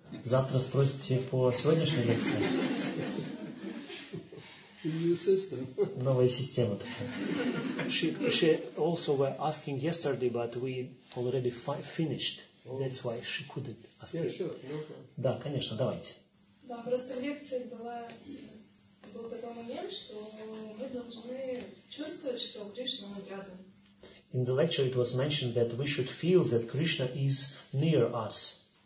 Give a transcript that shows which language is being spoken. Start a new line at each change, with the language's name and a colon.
Russian: Завтра спросите по сегодняшней лекции. Новая система.
English: She also were asking yesterday, but we already finished. That's why she couldn't ask. Yeah, sure, no problem.
Russian: Да, конечно, давайте. Да, просто лекция была, был такой момент, что мы должны чувствовать, что Кришна рядом.
English: In the lecture it was mentioned that we should feel that Krishna is near us.